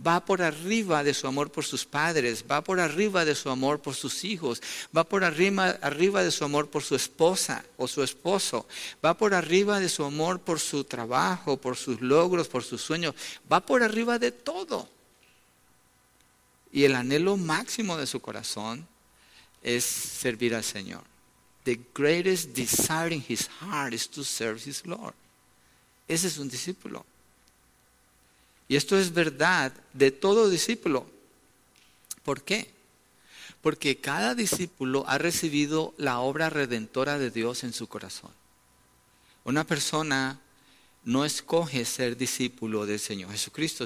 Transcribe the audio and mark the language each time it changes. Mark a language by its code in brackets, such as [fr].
[es] Va por arriba de su amor por sus padres, va por arriba de su amor por sus hijos, va por arriba de su amor por su esposa o su esposo, va por arriba de su amor por su trabajo, por sus logros, por sus sueños, va por arriba de todo. Y el anhelo máximo de su corazón es servir al Señor. [en] The greatest desire in his heart is to serve his Lord. [es] Ese es un discípulo. Y esto es verdad de todo discípulo. ¿Por qué? Porque cada discípulo ha recibido la obra redentora de Dios en su corazón. Una persona no escoge ser discípulo del Señor Jesucristo.